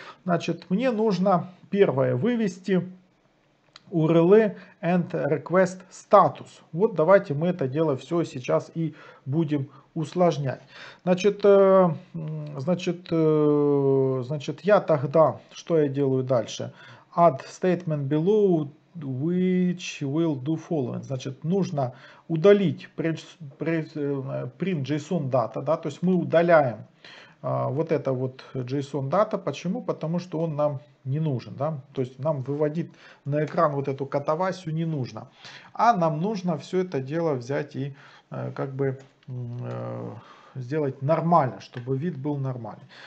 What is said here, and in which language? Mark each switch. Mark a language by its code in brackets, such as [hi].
[ru] Значит, мне нужно первое вывести [en] URL and request status. [ru] Вот давайте мы это дело все сейчас и будем усложнять. Значит, я тогда, что я делаю дальше? [en] Add statement below, which will do following. [ru] Значит, нужно удалить [en] print JSON data, [ru] да, то есть мы удаляем вот это вот JSON data. Почему? Потому что он нам не нужен, да, то есть нам выводить на экран вот эту катавасию не нужно, а нам нужно все это дело взять и как бы сделать нормально, чтобы вид был нормальный.